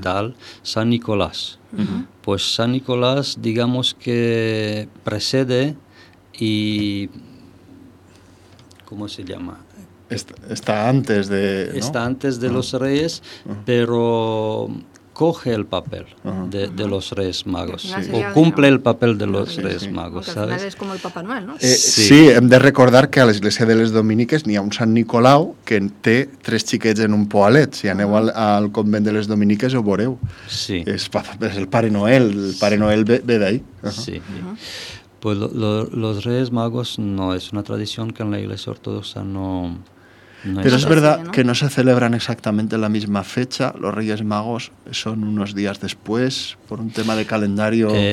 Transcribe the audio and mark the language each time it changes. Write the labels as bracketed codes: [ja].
[es] tal, San Nicolás. Uh-huh. Pues San Nicolás, digamos que precede y, ¿cómo se llama? Está antes de uh-huh. los Reyes, uh-huh. pero coge el papel uh-huh. de los Reyes Magos, sí. O cumple el papel de los Reyes Magos, ¿sabes? Porque al final es como el Papa Noel, ¿no? [ca] Sí, hem de recordar que a l'Església de les Dominiques n'hi ha un Sant Nicolau que té tres xiquets en un poalet. Si aneu al convent de les Dominiques ho veureu. Sí. És el Pare Noel, Noel ve d'ahí. Uh-huh. Sí. Uh-huh. [es] Pues los Reyes Magos no es una tradición que en la Iglesia Ortodoxa no... Pero es verdad que no se celebran exactamente la misma fecha. Los Reyes Magos son unos días después, por un tema de calendario.